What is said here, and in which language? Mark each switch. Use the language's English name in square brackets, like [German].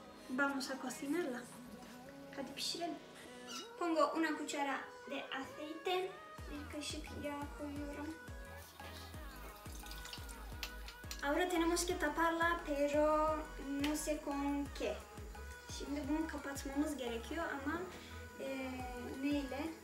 [Spanish] Vamos a cocinarla. [Turkish] Hadi pişirelim. [Spanish] Pongo una cuchara de aceite. [Turkish] Bir kaşık yağ koyuyorum. [Spanish] Ahora tenemos que taparla, pero no sé con qué. [Turkish] Şimdi bunu kapatmamız gerekiyor ama neyle?